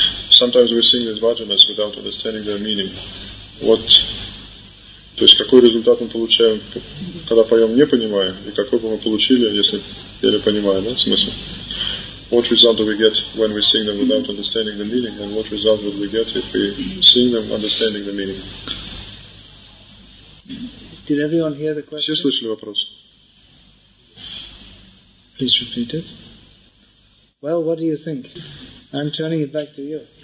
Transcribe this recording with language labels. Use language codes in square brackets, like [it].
[en] Sometimes we sing these bhajanas without understanding their meaning. What? [ru] То есть какой результат мы получаем, когда поем, не понимая, и какой бы мы получили, если еле понимаем, да, смысл? [en] What result do we get when we sing them without understanding the meaning, and what result would we get if we sing them understanding the meaning? Did everyone hear the question? [ru] Все слышали вопрос? [en] Please repeat it. Well, what do you think? I'm turning it back to you.